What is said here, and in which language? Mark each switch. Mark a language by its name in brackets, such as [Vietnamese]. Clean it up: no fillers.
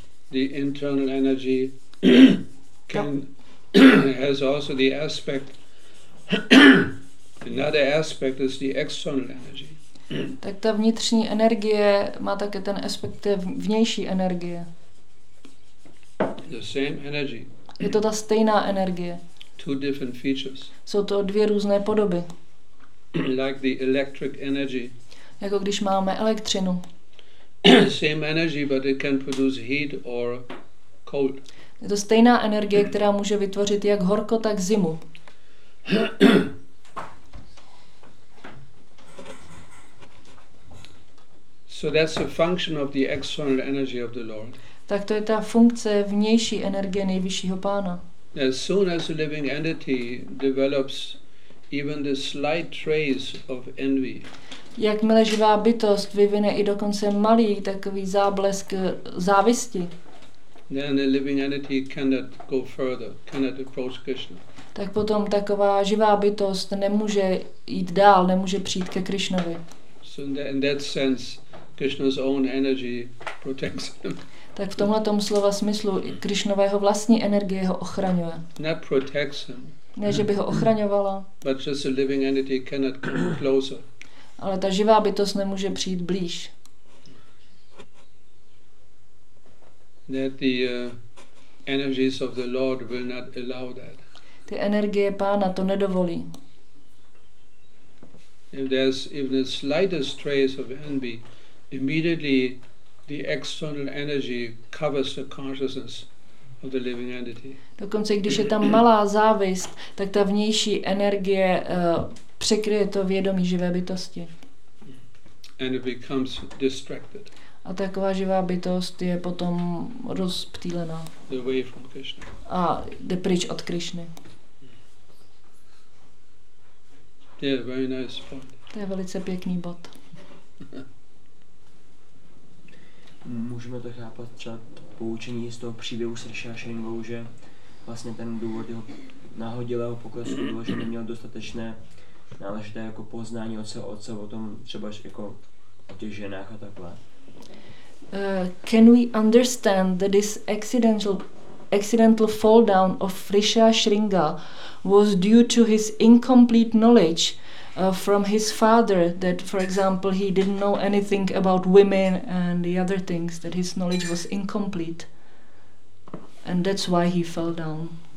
[English] The internal energy can has also the aspect. Another aspect is the external energy. [Czech] Tak ta vnitřní energie má také ten aspekt vnější energie. [English] The same energy. [Czech] Je to ta stejná energie. [English] Two different features. [Czech] Jsou to dvě různé podoby. [English] Like the electric energy. [Czech] Jako když máme elektřinu. [English] the same energy, but it can produce heat or cold. [Czech] Je to stejná energie, která může vytvořit jak horko, tak zimu. [English] So that's a function of the external energy of the Lord. [Czech] Tak to je ta funkce vnější energie nejvyššího pána. [English] As soon as a living entity develops even the slight trace of envy. [Czech] Jakmile živá bytost vyvine i dokonce malý takový záblesk závisti. [English] Then a living entity cannot go further, cannot approach Krishna. [Czech] Tak potom taková živá bytost nemůže jít dál, nemůže přijít ke Krishnovi. [English] So in that sense, Krishna's own energy protects him. [Czech] Tak v tomhle tom slova smyslu Krishnového vlastní energie ho ochraňuje. [English] Not protects him. [Czech] Ne, že by ho ochraňovala. [English] But just a living entity cannot come closer. [Czech] Ale ta živá bytost nemůže přijít blíž. [English] That the energies of the Lord will not allow that. [Czech] Ty energie pána to nedovolí. [English] If there's even the slightest trace of envy, immediately the external energy covers the consciousness of the living entity. [Czech] Dokonce když je tam malá závist, tak ta vnější energie překryje to vědomí živé bytosti. [English] And it becomes distracted. [Czech] A taková živá bytost je potom rozptýlená. [English] Away from Krishna. [Czech] A jde pryč od Krishny. [English] Yeah, very nice point. [Czech] To je velice pěkný bod. Můžeme to chápat třeba poučení z toho příběhu s Rishashringou, že vlastně ten důvod jeho nahodilého poklesku bylo, že neměl dostatečné náležité jako poznání od svého otce o tom třeba jako o těch ženách a takhle. [English] Can we understand that this accidental fall down of Rishashringa was due to his incomplete knowledge from his father, that for example he didn't know anything about women and the other things, that his knowledge was incomplete and that's why he fell down?